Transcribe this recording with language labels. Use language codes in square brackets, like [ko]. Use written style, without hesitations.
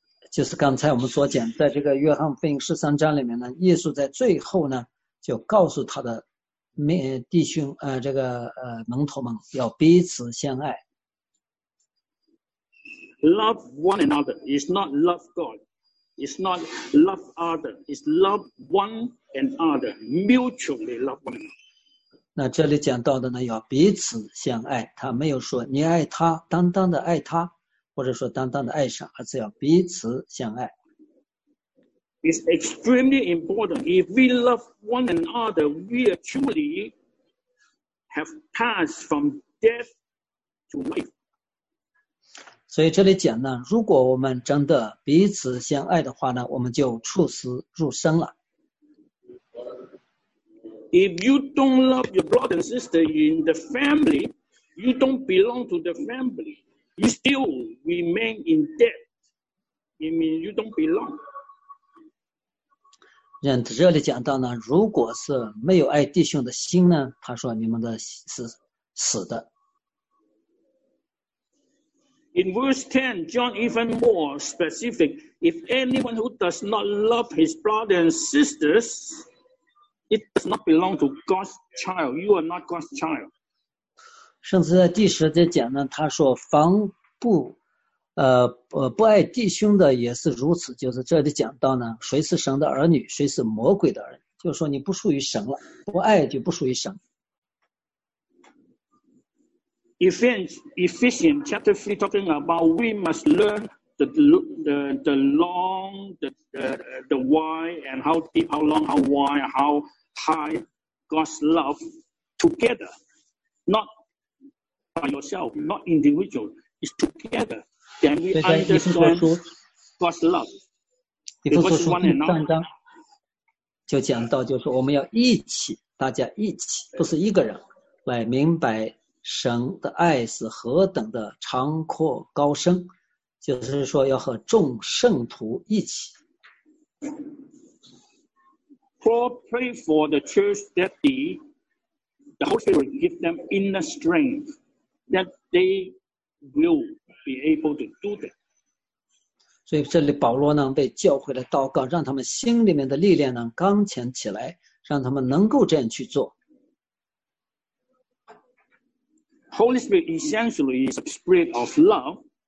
[zh] 就是刚才我们所讲，在这个约翰福音十三章里面呢，耶稣在最后呢，就告诉他的弟兄这个门徒们要彼此相爱。 [en] Love one another is not love God, It's not love other, it's love one and other, mutually love one another. [zh] 那这里讲到的呢，要彼此相爱，他没有说你爱他，单单的爱他，或者说单单的爱上，而是要彼此相爱。 [en] It's extremely important. If we love one another, we truly have passed from death to life. [zh] 所以这里讲呢，如果我们真的彼此相爱的话呢，我们就出死入生了。 [en] If you don't love your brother and sister in the family, you don't belong to the family. You still remain in debt. It means you don't belong. [zh] 这里讲到呢，如果是没有爱弟兄的心呢，他说你们的是死的。 [en] In verse 10, John even more specific, if anyone who does not love his brother and sisters,It does not belong to God's child. You are not God's child. [zh] 甚至在第十节讲呢，他说凡不爱弟兄的也是如此。就是这里讲到呢，谁是神的儿女，谁是魔鬼的儿女，就是说你不属于神了，不爱就不属于神。 [en] Ephesians chapter 3 talking about we must learn the long, the why and how deep, how long, how wide, howhide God's love together, not by yourself, not individual, it's together. Then we understand God's love. [zh] 以弗所书第三章就讲到，就是我们要一起，大家一起，不是一个人，来明白神的爱是何等的长阔高深，就是说要和众圣徒一起。 [en] Paul prayed for the church that the Holy Spirit would give them inner strength that they will be able to do that. [zh] 所以这里保罗呢为教会的祷告，让他们心里面的力量呢刚强起来，让他们能够这样去做。 [en] Holy Spirit essentially is a spirit of love.